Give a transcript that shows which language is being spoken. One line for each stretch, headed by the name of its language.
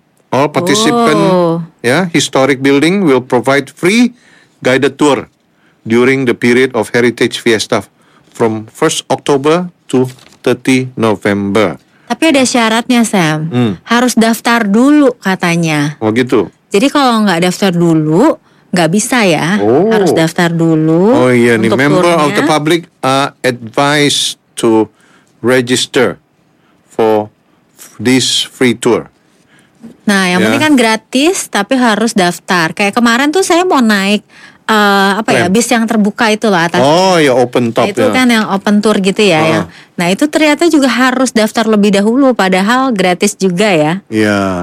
English: All participant, historic building will provide free guided tour during the period of Heritage Fiesta from 1 October to 30 November.
Indonesian: Tapi ada syaratnya, Sam. Harus daftar dulu katanya. Oh gitu. Jadi kalau nggak daftar dulu, nggak bisa ya. Harus daftar dulu. Oh iya nih,
English: member of the public are advised to register for this free tour.
Indonesian: Nah yang penting kan gratis tapi harus daftar. Kayak kemarin tuh saya mau naik bis yang terbuka itu lah atas. Oh ya,
English: open top
Indonesian: itu ya. Kan yang open tour gitu ya. Nah itu ternyata juga harus daftar lebih dahulu, padahal gratis juga ya. Iya.